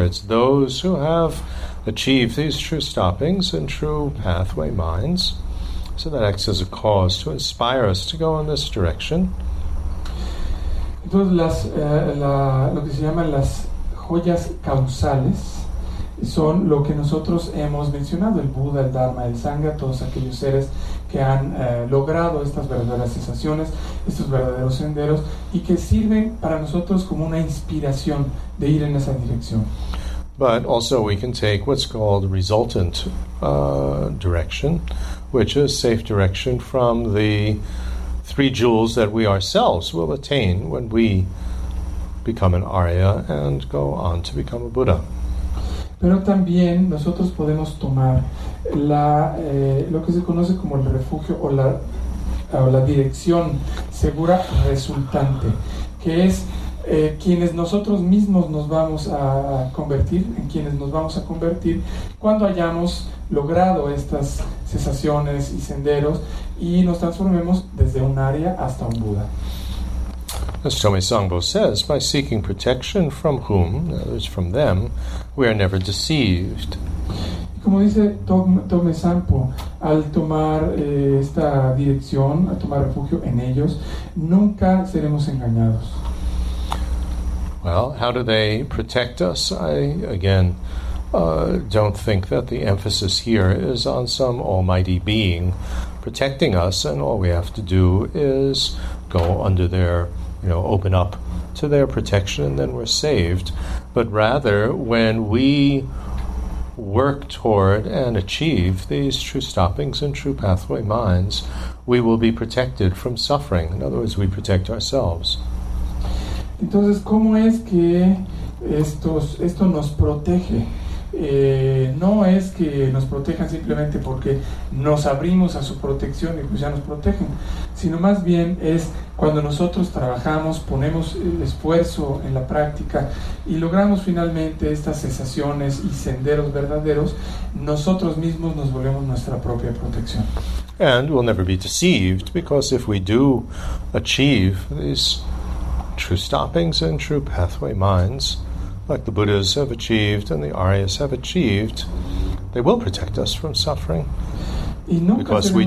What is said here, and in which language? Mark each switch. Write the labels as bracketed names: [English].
[English] It's those who have achieved these true stoppings and true pathway minds. So that acts as a cause to inspire us to go in this direction. [Spanish] Entonces, lo que se llama las joyas causales son lo que nosotros hemos mencionado, el Buda, el Dharma, el Sangha, todos aquellos seres que han logrado estas verdaderas sensaciones, estos verdaderos senderos, y que sirven para nosotros como una inspiración de ir en esa dirección. [English] But also we can take what's called resultant direction, which is safe direction from the three jewels that we ourselves will attain when we become an Arya and go on to become a Buddha. [Spanish] Pero también nosotros podemos tomar lo que se conoce como el refugio o la dirección segura resultante, que es quienes nosotros mismos nos vamos a convertir, en quienes nos vamos a convertir cuando hayamos logrado estas cesaciones y senderos y nos transformemos desde un área hasta un Buda. [English] As Tome Sangbo says, by seeking protection from whom, that is from them, we are never deceived. [Spanish] Como dice Tome Sangpo, al tomar esta dirección, al tomar refugio en ellos, nunca seremos engañados. [English] Well, how do they protect us? I, again, don't think that the emphasis here is on some almighty being protecting us, and all we have to do is go under their, you know, open up to their protection, and then we're saved. But rather, when we work toward and achieve these true stoppings and true pathway minds, we will be protected from suffering. In other words, we protect ourselves. [Spanish] Entonces, ¿cómo es que esto nos protege? No es que nos protejan simplemente porque nos abrimos a su protección y pues ya nos protegen, sino más bien es cuando nosotros trabajamos, ponemos esfuerzo en la práctica y logramos finalmente estas cesaciones y senderos verdaderos, nosotros mismos nos volvemos nuestra propia protección. [English] And we'll never be deceived, because if we do achieve these true stoppings and true pathway minds, like the Buddhas have achieved and the Aryas have achieved, they will protect us from suffering. [Spanish] Y nunca [English] because [Spanish] seremos,